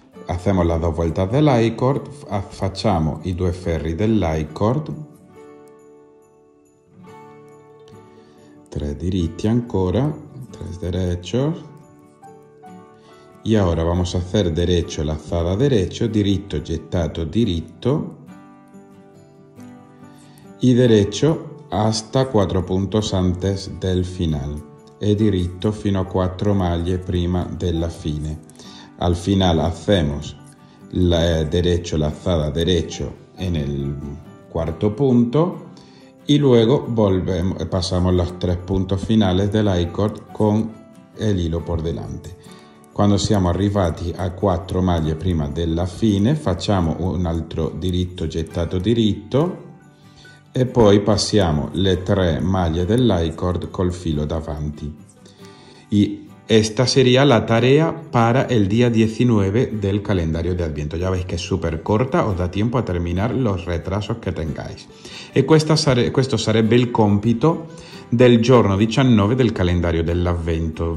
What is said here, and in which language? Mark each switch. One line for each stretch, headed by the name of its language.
Spanish: Hacemos las dos vueltas del I-cord,
Italian: facciamo i due ferri dell'I-cord,
Spanish: tres diritti ancora, tres derechos, y ahora vamos a hacer derecho, lazada derecho,
Italian: diritto, gettato, diritto,
Spanish: y derecho hasta 4 puntos antes del final,
Italian: e diritto fino a 4 maglie prima della fine.
Spanish: Al final hacemos derecho, lazada, derecho en el cuarto punto y luego volvemos, pasamos los 3 puntos finales del I-cord con el hilo por delante.
Italian: Cuando siamo arrivati a 4 maglie prima della fine, facciamo un altro diritto, gettato, diritto e poi passiamo le 3 maglie dell'I-cord col filo davanti.
Spanish: Esta sería la tarea para el día 19 del calendario de Adviento. Ya veis que es súper corta, os da tiempo a terminar los retrasos que tengáis.
Italian: E questo sarebbe il compito del giorno 19 del calendario dell'Avvento.